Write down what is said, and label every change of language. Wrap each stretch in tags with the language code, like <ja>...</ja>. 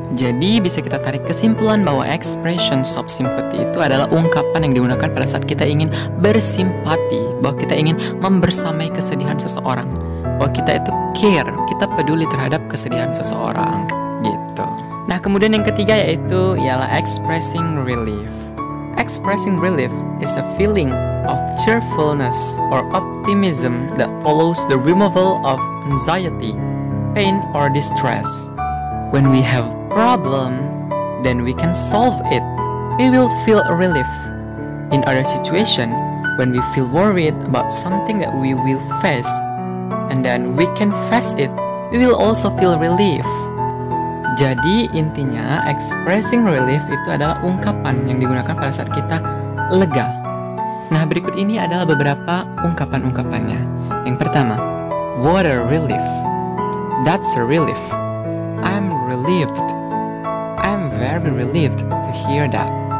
<id>Jadi bisa kita tarik kesimpulan bahwa</id> <en>expressions of sympathy</en> <id>itu adalah ungkapan yang digunakan pada saat kita ingin bersimpati, bahwa kita ingin membersamai kesedihan seseorang, bahwa kita itu</id> <en>care,</en> <id>kita peduli terhadap kesedihan seseorang gitu. Nah, kemudian yang ketiga yaitu ialah</id> <en>expressing relief. Expressing relief is a feeling of cheerfulness or optimism that follows the removal of anxiety, pain or distress. When we have problem, then we can solve it. We will feel a relief. In other situation, when we feel worried about something that we will face, and then we can face it, we will also feel relief.</en> <id>Jadi intinya,</id> <en>expressing relief</en> <id>itu adalah ungkapan yang digunakan pada saat kita lega. Nah, berikut ini adalah beberapa ungkapan-ungkapannya. Yang pertama,</id> <en>what a relief. That's a relief. I'm relieved. I'm very relieved to hear that.</en>